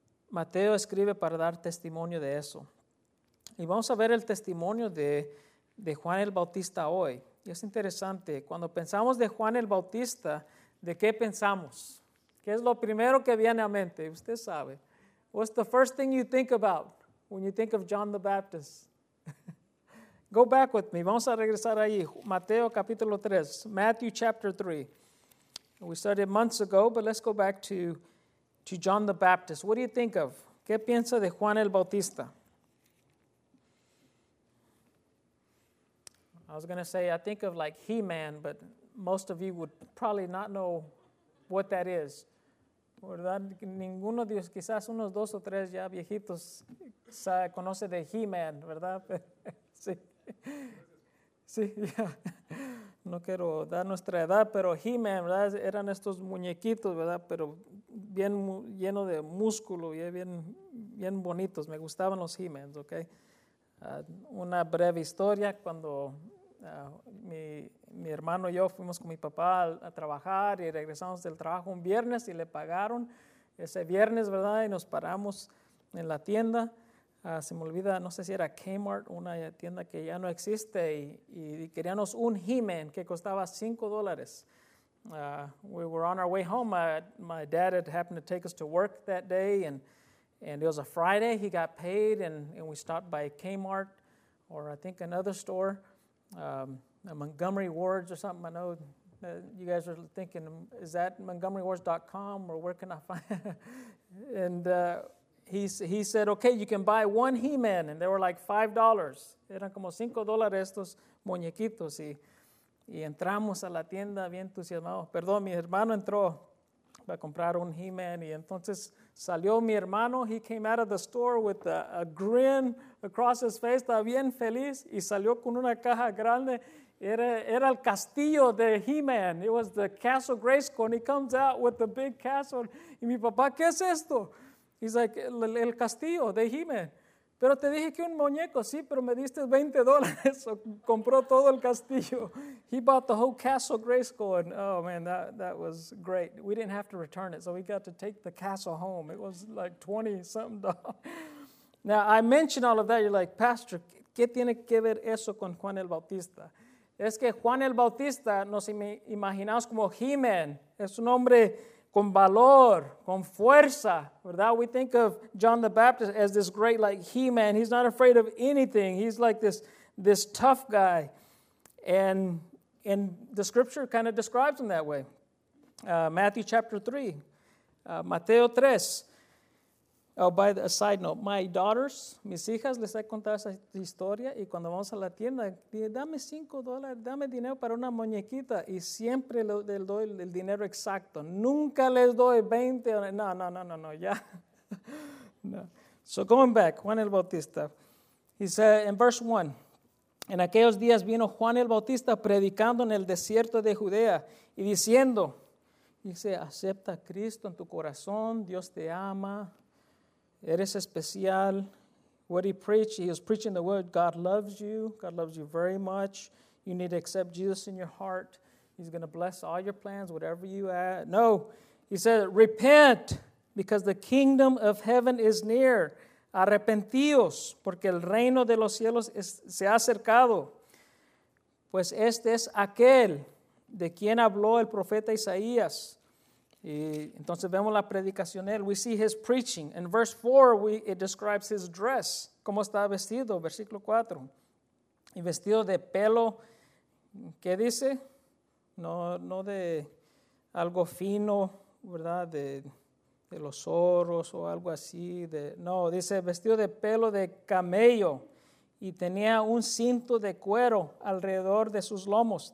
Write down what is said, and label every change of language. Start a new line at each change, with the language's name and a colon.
Spanish: Mateo escribe para dar testimonio de eso. Y vamos a ver el testimonio de Juan el Bautista hoy. Y es interesante, cuando pensamos de Juan el Bautista, ¿de qué pensamos? ¿Qué es lo primero que viene a mente? Usted sabe.
English: What's the first thing you think about when you think of John the Baptist? Go back with me.
Spanish: Vamos a regresar ahí. Mateo capítulo 3.
English: Matthew chapter 3. We started months ago, but let's go back to John the Baptist. What do you think of?
Spanish: ¿Qué piensa de Juan el Bautista?
English: I was going to say, I think of like He-Man, but most of you would probably not know what that is.
Spanish: ¿Verdad? Ninguno de ustedes, quizás unos dos o tres ya viejitos, conoce de He-Man, ¿verdad? Sí. Sí, yeah. No quiero dar nuestra edad, pero He-Man, ¿verdad? Eran estos muñequitos, ¿verdad? Pero bien lleno de músculo y bien bonitos. Me gustaban los He-Man, ¿ok? Una breve historia, cuando mi hermano y yo fuimos con mi papá a trabajar y regresamos del trabajo un viernes y le pagaron ese viernes, ¿verdad? Y nos paramos en la tienda. Se me olvida, no sé si era Kmart, una tienda que ya no existe, y queríamos un He-Man que costaba $5.
English: We were on our way home. My dad had happened to take us to work that day, and it was a Friday. He got paid, and we stopped by Kmart, or I think another store, Montgomery Ward's or something. I know you guys are thinking, is that montgomerywards.com, or where can I find it? He said, okay, you can buy one He-Man. And they were like $5.
Spanish: Eran como $5 estos muñequitos. Y entramos a la tienda bien entusiasmados. Perdón, mi hermano entró para comprar un He-Man. Y entonces salió mi hermano.
English: He came out of the store with a grin across his face.
Spanish: Estaba bien feliz. Y salió con una caja grande. Era el castillo de He-Man.
English: It was the Castle Grayskull. And he comes out with the big castle.
Spanish: Y mi papá, ¿qué es esto?
English: He's like,
Spanish: el castillo de He-Man. Pero te dije que un muñeco, sí, pero me diste $20. So compró todo el castillo.
English: He bought the whole Castle Grayskull. And, oh, man, that was great. We didn't have to return it, so we got to take the castle home. It was like $20-something. Now, I mention all of that. You're like,
Spanish: Pastor, ¿qué tiene que ver eso con Juan el Bautista? Es que Juan el Bautista nos imaginamos como He-Man. Es un hombre con valor, con fuerza, ¿verdad?
English: We think of John the Baptist as this great, like, He-Man. He's not afraid of anything. He's like this tough guy. And the scripture kind of describes him that way. Matthew chapter 3, Mateo 3. Oh, by the a side note, my daughters,
Spanish: mis hijas, les he contado esa historia. Y cuando vamos a la tienda, dije, dame $5, dame dinero para una muñequita. Y siempre le doy el dinero exacto. Nunca les doy 20. No, ya. No.
English: So going back, Juan el Bautista. He said in verse 1,
Spanish: en aquellos días vino Juan el Bautista predicando en el desierto de Judea y diciendo, dice, acepta a Cristo en tu corazón, Dios te ama. Eres especial.
English: What he preached, he was preaching the word, God loves you. God loves you very much. You need to accept Jesus in your heart. He's going to bless all your plans, whatever you add. No, he said, repent, because the kingdom of heaven is near.
Spanish: Arrepentíos, porque el reino de los cielos se ha acercado. Pues este es aquel de quien habló el profeta Isaías. Y entonces vemos la predicación de él.
English: We see his preaching. In verse 4, it describes his dress.
Spanish: ¿Cómo está vestido? Versículo 4. Y vestido de pelo, ¿qué dice? No de algo fino, ¿verdad? De los zorros o algo así. No, dice vestido de pelo de camello. Y tenía un cinto de cuero alrededor de sus lomos.